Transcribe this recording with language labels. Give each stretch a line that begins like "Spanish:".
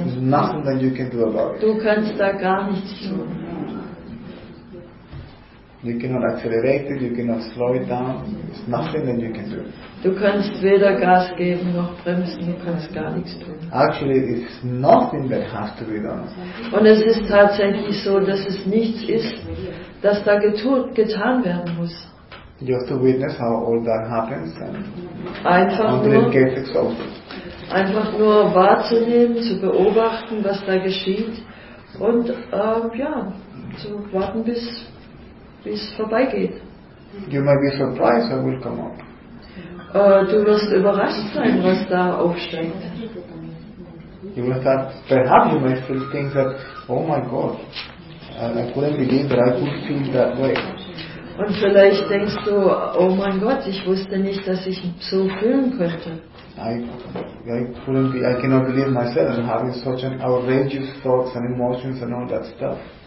English: There's nothing that you can do about it.
German: Du kannst da gar nichts tun.
English: You cannot accelerate it, you cannot slow it down. There's nothing that you can do.
German: Du kannst weder Gas geben noch bremsen, du kannst gar nichts tun.
English: Actually, it's nothing that has to be done.
German: Und es ist tatsächlich so, dass es nichts ist, das da getan werden muss.
English: You have to witness how all that happens and
German: einfach until
English: it gets exhausted.
German: Einfach nur wahrzunehmen, zu beobachten, was da geschieht und zu warten, bis es vorbeigeht.
English: You might be surprised what will come up.
German: Du wirst überrascht sein, was da aufsteigt.
English: You will start, perhaps you might feel things that, oh my God, and I couldn't believe that I could feel that way.
German: Und vielleicht denkst du, oh mein Gott, ich wusste nicht, dass ich so fühlen könnte.
English: I cannot believe myself and having such an outrageous thoughts and emotions and all that stuff.